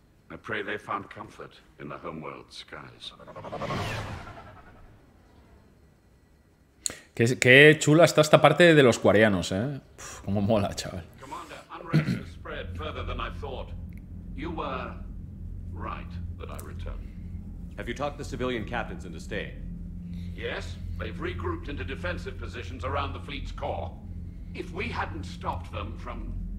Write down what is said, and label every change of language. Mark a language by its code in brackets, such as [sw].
[en] I pray they found comfort in the homeworld skies. [es] Qué chula está esta parte de los cuarianos, Uf, cómo mola, chaval. [en] Commander, unrest has spread further than I thought. You were right that I return. Have you talked the civilian captains into staying? Yes, they've regrouped into defensive positions around the fleet's core. If we hadn't stopped them from...